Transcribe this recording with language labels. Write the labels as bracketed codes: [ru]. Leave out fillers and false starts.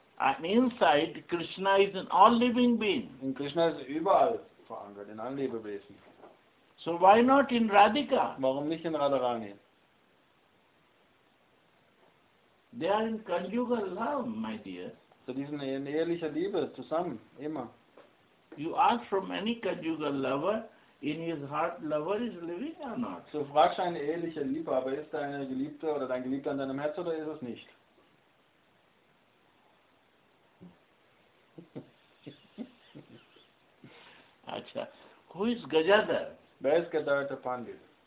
[en] And inside Krishna is an all living being. [de] In Krishna ist überall verankert, in allen Lebewesen. [en] So why not in Radhika? [de] Warum nicht in Radharani? [en] They are in conjugal love, my dear. [de] So die sind in ehelicher Liebe zusammen, immer. [en] You ask from any conjugal lover, in his heart lover is living or not? [de] So fragst du einen ehelicher Liebe, aber ist deine Geliebte oder dein Geliebter in deinem Herz oder ist es nicht? [en] Yes. Acha. Who is Gajadhar? Where is Gadadhara Pandit?